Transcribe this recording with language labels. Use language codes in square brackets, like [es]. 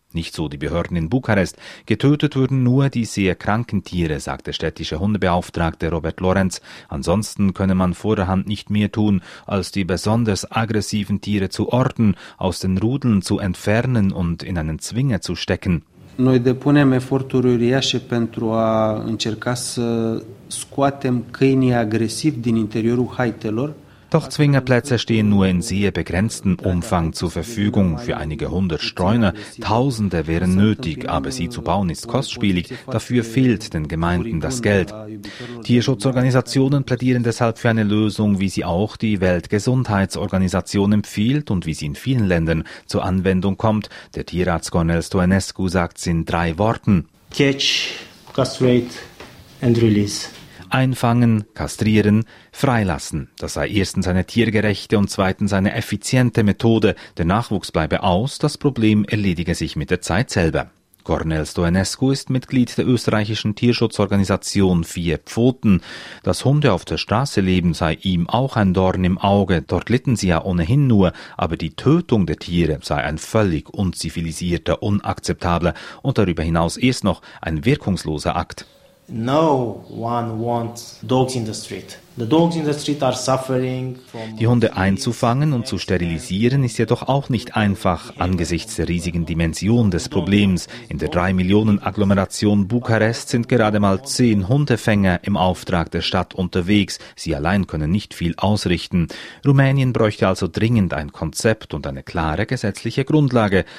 [de] Nicht so die Behörden in Bukarest. Getötet würden nur die sehr kranken Tiere, sagt der städtische Hundebeauftragte Robert Lorenz. Ansonsten könne man vor der Hand nicht mehr tun, als die besonders aggressiven Tiere zu orten, aus den Rudeln zu entfernen und in einen Zwinger zu stecken. [ro] Noi depunem eforturi uriașe pentru a încerca să scoatem câinii agresivi din interiorul haitelor. [de] Doch Zwingerplätze stehen nur in sehr begrenztem Umfang zur Verfügung. Für einige hundert Streuner, Tausende wären nötig, aber sie zu bauen ist kostspielig. Dafür fehlt den Gemeinden das Geld. Tierschutzorganisationen plädieren deshalb für eine Lösung, wie sie auch die Weltgesundheitsorganisation empfiehlt und wie sie in vielen Ländern zur Anwendung kommt. Der Tierarzt Cornel Stoenescu sagt es in drei Worten. [en] Catch, castrate and release. [de] Einfangen, kastrieren, freilassen. Das sei erstens eine tiergerechte und zweitens eine effiziente Methode. Der Nachwuchs bleibe aus, das Problem erledige sich mit der Zeit selber. Cornel Stoenescu ist Mitglied der österreichischen Tierschutzorganisation Vier Pfoten. Dass Hunde auf der Straße leben, sei ihm auch ein Dorn im Auge. Dort litten sie ja ohnehin nur. Aber die Tötung der Tiere sei ein völlig unzivilisierter, unakzeptabler und darüber hinaus erst noch ein wirkungsloser Akt. [en] No one wants dogs in the street. The dogs in the street are suffering from. [de] Die Hunde einzufangen und zu sterilisieren ist jedoch auch nicht einfach angesichts der riesigen Dimension des Problems. In der 3-Millionen-Agglomeration Bukarest sind gerade mal 10 Hundefänger im Auftrag der Stadt unterwegs. Sie allein können nicht viel ausrichten. Rumänien bräuchte also dringend ein Konzept und eine klare gesetzliche Grundlage.